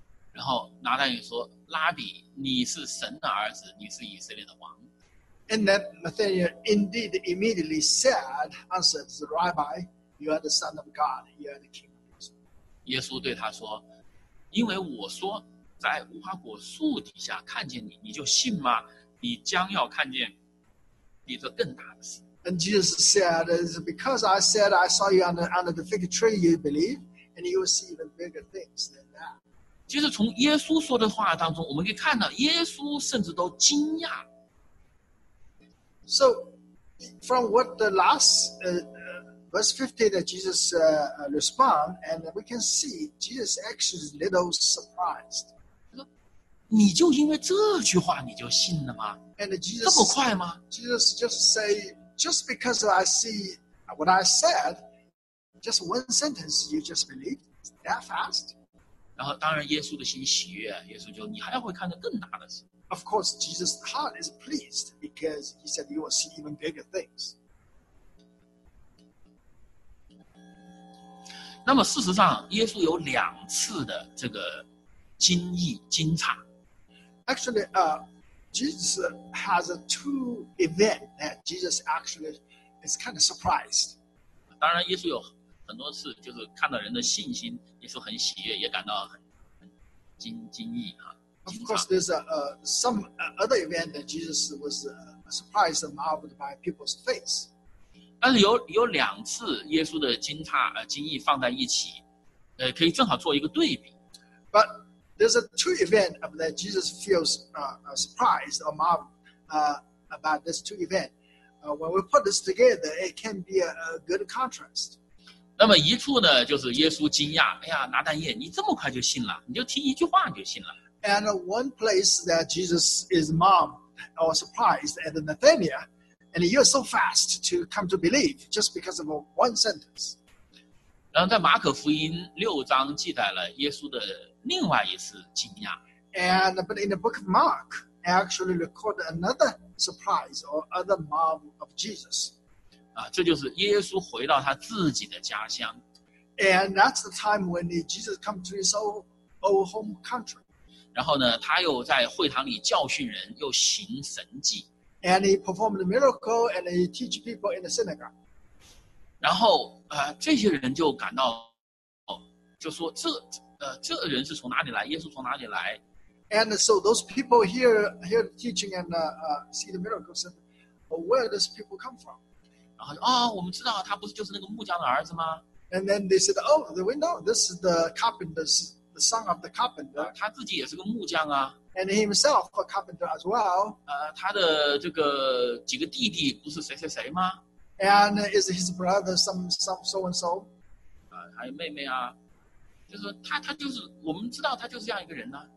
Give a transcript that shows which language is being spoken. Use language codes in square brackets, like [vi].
[zh] 然后拿单叶说：“拉比，你是神的儿子，你是以色列的王。 [en] ”And then Nathaniel indeed immediately said, answered the rabbi, "You are the son of God. You are the king." [zh] 耶稣对他说：“因为我说。” 在无花果树底下看见你，你就信吗？你将要看见比这更大的事。 [en] And Jesus said, "Because I said I saw you under the fig tree, you believe, and you will see even bigger things than that." [zh] 其实从耶稣说的话当中，我们可以看到耶稣甚至都惊讶。 [en] So, from what the last verse 50 that Jesus respond, and we can see Jesus actually is a little surprised. [zh] 你就因为这句话你就信了吗？ [en] And Jesus, [zh] 这么快吗？ [en] Jesus just say, just because I see what I said, just one sentence, you just believe that fast. [zh] 然后当然耶稣的心喜悦，耶稣就你还要会看得更大的事。 [en] Of course, Jesus' heart is pleased because he said you will see even bigger things. [zh] 那么事实上，耶稣有两次的这个惊异惊诧。 [en] Actually, Jesus has two events that Jesus actually is kind of surprised. [zh] 当然，耶稣有很多次就是看到人的信心，耶稣很喜悦，也感到很惊异啊。 [en] Of course, there's some other event that Jesus was surprised and marveled by people's faith. [zh] 但是有两次耶稣的惊诧惊异放在一起，可以正好做一个对比。 [en] But There's two events that Jesus feels surprised or marveled about these two events. When we put this together, it can be a good contrast. [zh] 那么一处呢，就是耶稣惊讶，哎呀，拿单叶，你这么快就信了，你就听一句话就信了。 [en] And one place that Jesus is marveled or surprised at Nathaniel, and you're so fast to come to believe just because of one sentence. [zh] 然后在马可福音六章记载了耶稣的另外一次惊讶。 [en] And but in the book of Mark, actually record another surprise or other marvel of Jesus. [zh] 啊，这就是耶稣回到他自己的家乡。 [en] And that's the time when Jesus comes to his old home country. [zh] 然后呢，他又在会堂里教训人，又行神迹。 [en] And he performed a miracle and he teach people in the synagogue. [zh] 然后这些人就感到，就说这人是从哪里来？耶稣从哪里来？ [en] And so those people hear the teaching and see the miracles, where does people come from? [zh] 然后啊，我们知道他不是就是那个木匠的儿子吗？ [en] And then they said, oh, the window, this is the carpenter, the son of the carpenter. [zh] 他自己也是个木匠啊。 [en] And he himself a carpenter as well. [zh] 他的这个几个弟弟不是谁谁谁吗？ [en] And is his brother some so and so? [zh] 还有妹妹啊。就是他就是我们知道他就是这样一个人呢、啊。